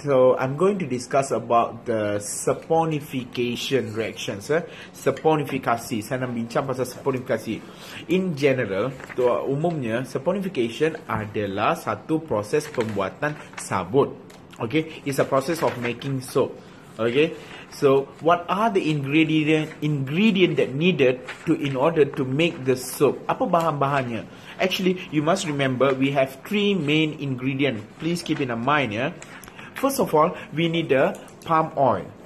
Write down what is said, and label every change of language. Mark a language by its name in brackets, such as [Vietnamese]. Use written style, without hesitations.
[English] So I'm going to discuss about the saponification reactions. [Malay] Saponifikasi. Saya nak bincang pasal saponifikasi. [English] In general, [Malay] umumnya saponification adalah satu proses pembuatan sabun. [English] Okay, it's a process of making soap. Okay, so what are the ingredient that needed to in order to make the soap? [Malay] Apa bahan-bahannya? [English] Actually, you must remember we have three main ingredients. Please keep in mind, yeah. First of all, we need the palm oil.